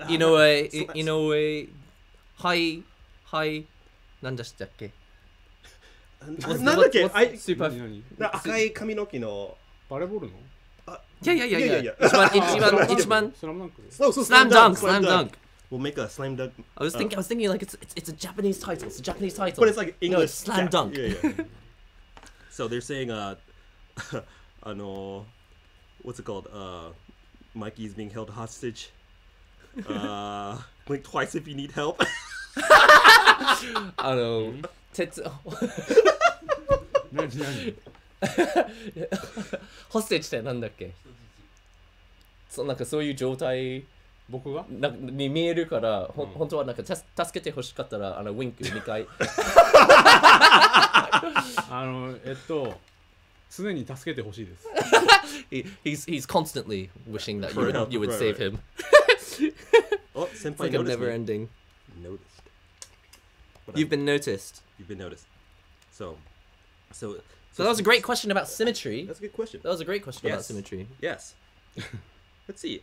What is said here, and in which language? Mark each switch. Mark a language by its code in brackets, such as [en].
[ja] 井上、井上、はい、はい、なんだしたっけ？なんだっけ？あい、スーパー、赤い髪の毛のバレーボールの？いやいやいやいや、一番、スラムダンク、スラムダンク、スラムダンク。 [en] We'll make a slam dunk. I was thinking like it's a Japanese title, it's a Japanese title. But it's like English slam dunk. So they're saying what's it called? Mikey is being held hostage. Blink twice if you need help. I don't know. Tetsu. [ja] Nani, nani? Hostage って何だっけ？そう、なんかそういう状態。僕が？なんかに見えるから、本当はなんか助けてほしかったら、あの、ウィンク2回。あの、常に助けてほしいです。 [en] He's constantly wishing that you would, you would save him. Oh, senpai, it's like a never ending. Noticed. You've been noticed. You've been noticed. So that was a great question about symmetry. That's a good question. That was a great question about symmetry. Yes. Let's see.